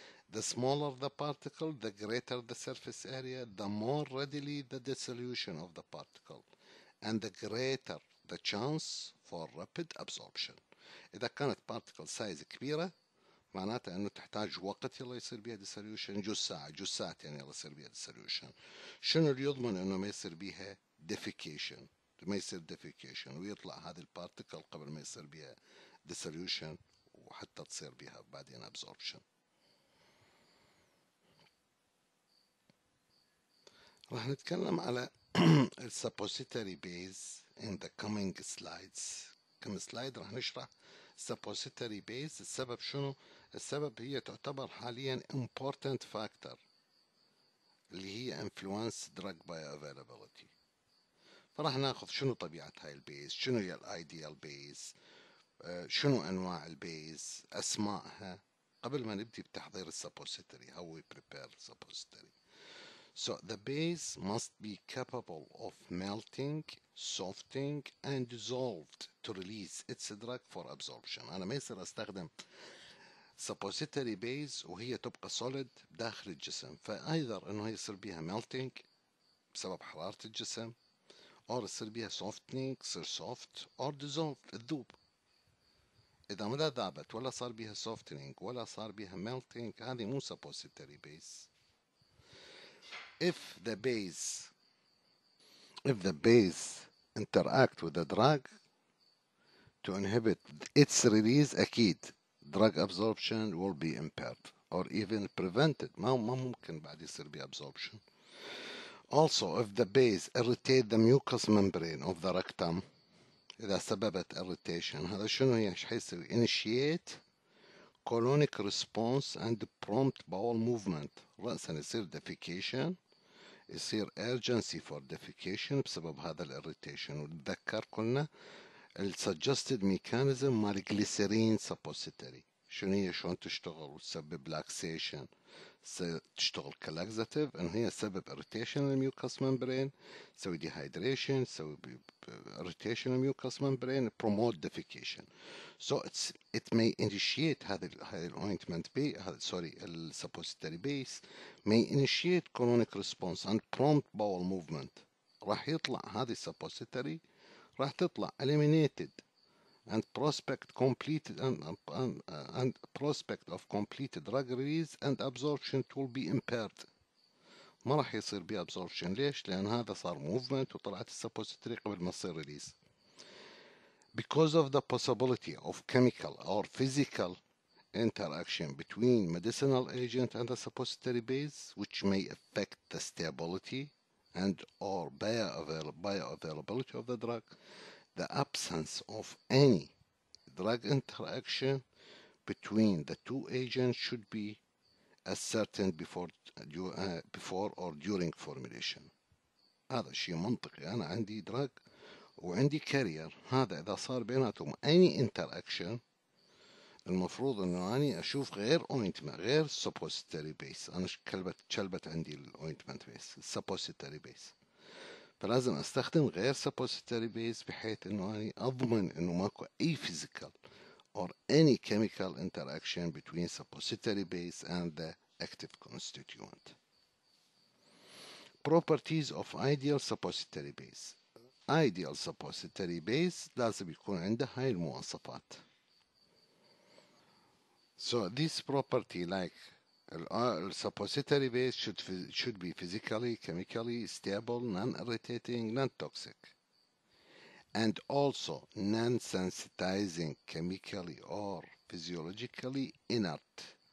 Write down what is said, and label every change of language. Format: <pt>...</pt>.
<en>The smaller the particle, the greater the surface area, the more readily the dissolution of the particle, and the greater the chance for rapid absorption.</en> <ar>إذا كانت particle size كبيرة معناته أنه تحتاج وقت يلا يصير بيها dissolution، جو ساعات يعني يلا يصير بيها dissolution. شنو اللي يضمن أنه ما يصير بيها defecation، ما يصير defecation ويطلع هذه particle قبل ما يصير بيها dissolution وحتى تصير بيها بعدين absorption. راح نتكلم على السبوزيتوري بيز</ar> <en>in the coming slides.</en> <ar>كم سلايد راح نشرح السبوزيتوري بيز السبب شنو؟ السبب هي تعتبر حاليا</ar> <en>important factor</en> <ar>اللي هي</ar> <en>influence drug bioavailability.</en> <ar>فراح ناخذ شنو طبيعة هاي البيز، شنو هي الايديال بيز، شنو انواع البيز، اسماءها قبل ما نبدي بتحضير السبوزيتوري.</ar> <en>How we prepare السبوزيتوري. So the base must be capable of melting, softening, and dissolved to release its drug for absorption.</en> <ar>أنا ما يصير أستخدم suppository base وهي تبقى solid داخل الجسم. فأيضر إنه يصير بيها melting بسبب حرارة الجسم، or يصير بيها softening صير soft or dissolved الذوب. إذا ما ذابت ولا صار بيها softening ولا صار بيها melting هذه مو suppository base.</ar> <en>If the base interact with the drug to inhibit its release, أكيد drug absorption will be impaired or even prevented.</en> <ar>ما ممكن بعد يصير بي absorption.</ar> <en>Also, if the base irritate the mucous membrane of the rectum,</en> <ar>إذا سببت irritation هذا شنو هي؟ شو حيصير؟</ar> <en>Initiate colonic response and prompt bowel movement</en> <ar>رأسا يصير defecation، يصير</ar> <en>urgency for defecation</en> <ar>بسبب هذا ال irritation. وتذكر قلنا ال suggested mechanism مال glycerin suppository شنو هي، شلون تشتغل وتسبب laxation، تشتغل ك laxative ان هي سبب irritation ال mucous membrane، تسوي dehydration، تسوي irritation ال mucous membrane،</ar> <en>promote defecation. So it's it may initiate هذه الointment B sorry ال suppository base may initiate colonic response and prompt bowel movement.</en> <ar>راح يطلع هذه suppository راح تطلع</ar> <en>eliminated and prospect completed and prospect of completed drug release and absorption will be impaired.</en> <ar>ما راح يصير بي absorption. ليش؟ لأن هذا صار movement وطلعت السبوستري قبل ما يصير release.</ar> <en>Because of the possibility of chemical or physical interaction between medicinal agent and the suppository base which may affect the stability and or bioavailability of the drug, the absence of any drug interaction between the two agents should be ascertained before or during formulation.</en> <ar>هذا شيء منطقي، انا عندي drug وعندي carrier، هذا اذا صار بيناتهم</ar> <en>any interaction</en> <ar>المفروض انه اني اشوف غير ointment غير suppository base. انا كلبت عندي الointment base suppository base، فلازم استخدم غير suppository base بحيث انه اني اضمن انه ماكو اي</ar> <en>physical or any chemical interaction between suppository base and the active constituent. Properties of ideal suppository base.</en> <ar>Ideal suppository base لازم يكون عنده هاي المواصفات.</ar> <en>So this property like the suppository base should be physically, chemically stable, non-irritating, non-toxic, and also non-sensitizing chemically or physiologically inert.</en>